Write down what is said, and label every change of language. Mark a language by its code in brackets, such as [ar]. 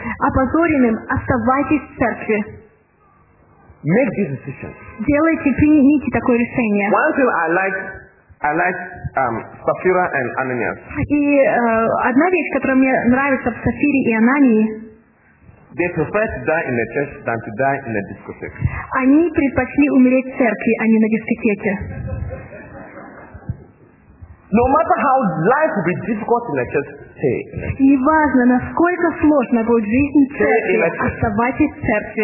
[ru] Опозоренным, оставайтесь в церкви. [en] Make this decision. [ru] Делайте, примите такое решение. [en] One thing I like Sapphira and Ananias. [ru] И одна вещь, которая мне нравится в Сапфире и Анании. [en] They prefer to die in the church than to die in a discotheque. [ru] Они предпочли умереть в церкви, а не на дискотеке. [en] No matter how life will be difficult in the church, stay. [ru] Неважно, насколько сложно будет жизнь в церкви, оставайтесь в церкви.